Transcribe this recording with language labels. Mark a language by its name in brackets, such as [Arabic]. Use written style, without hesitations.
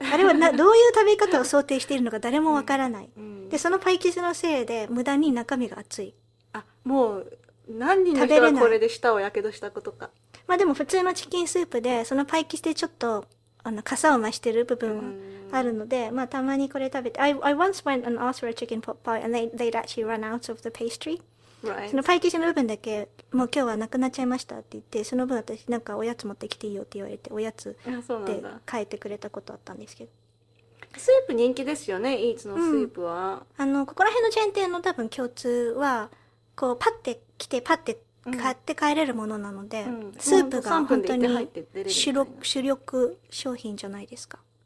[Japanese] あれはどういう食べ方を想定しているのか誰もわからない、うんうん。で、そのパイ生地のせいで無駄に中身が熱い。あ、もう、何人の人がこれで舌を火傷したことか。まあでも普通のチキンスープで、そのパイ生地でちょっと、傘を増してる部分はあるので、まあたまにこれ食べて。 [English] I once went and asked for a chicken pot pie and they'd actually run out of the pastry.、 Right. [Japanese] そのパイ生地の部分だけ、もう今日はなくなっちゃいましたって言って、その分私なんかおやつ持ってきていいよって言われて、おやつで変えてくれたことあったんですけど。スープ人気ですよね、イーツのスープは。うん、ここら辺のチェーン店の多分共通は、こうパッて来てパッて買って帰れるものなので、うんうん、スープが本当に主力商品じゃないですか。